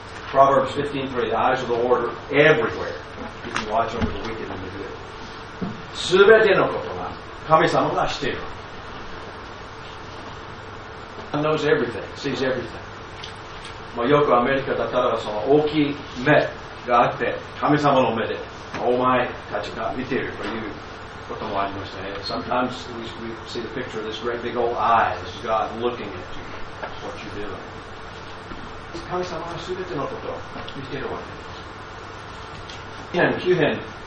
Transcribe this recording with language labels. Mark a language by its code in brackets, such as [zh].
[en] Proverbs 15:3, the eyes of the Lord are everywhere. You can watch over the wicked and the good. [ja] 全てのことは神様が知っている。 [en] God knows everything, sees everything. [ja] まあ、よくアメリカだったらその大きい目があって、神様の目でお前たちが見ているということもありましたね。 [en] Sometimes we see the picture of this great big old eye. This is God looking at you, what you do. [ja] 神様はすべてのことを見ているわけです。